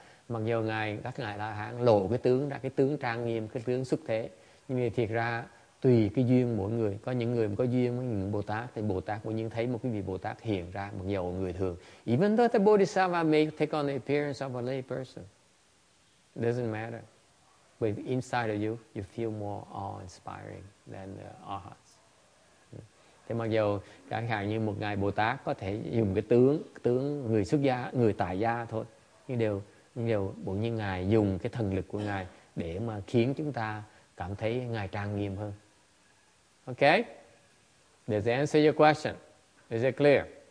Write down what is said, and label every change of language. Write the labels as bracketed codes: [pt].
[vi] Mặc dù các ngài La Hán lộ cái tướng trang nghiêm, cái tướng xuất thế, nhưng mà thiệt ra tùy cái duyên mỗi người. Có những người có duyên với những Bồ Tát thì Bồ Tát cũng như thấy một cái vị Bồ Tát hiện ra mặc dù người thường. [en] Even though the Bodhisattva may take on the appearance of a lay person, it doesn't matter. But inside of you, you feel more awe-inspiring than the arhats. [vi] Thế mặc dù chẳng hạn như một ngày Bồ Tát có thể dùng cái tướng người xuất gia, người tại gia thôi, nhưng đều bỗng nhiên ngài dùng cái thần lực của ngài để mà khiến chúng ta cảm thấy ngài trang nghiêm hơn. [en] Okay? Does that answer your question? Is it clear?